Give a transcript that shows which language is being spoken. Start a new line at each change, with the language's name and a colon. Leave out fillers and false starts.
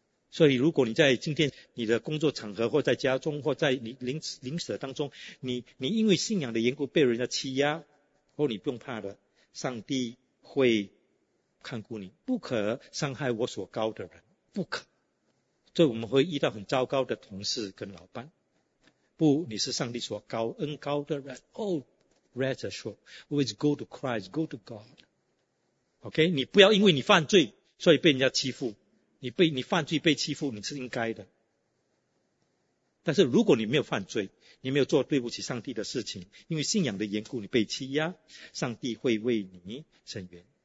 Chinese: 所以如果你在今天你的工作场合，或在家中，或在你邻舍当中，你因为信仰的缘故被人家欺压，或你不用怕的，上帝会看顾你，不可伤害我所膏的人，不可。所以我们会遇到很糟糕的同事跟老板，不，你是上帝所膏恩膏的人。
English: Oh, rather sure, always go to Christ, go to God.
Chinese: OK, 你不要因为你犯罪所以被人家欺负，你犯罪被欺负，你是应该的。但是如果你没有犯罪，你没有做对不起上帝的事情，因为信仰的缘故你被欺压，上帝会为你伸冤。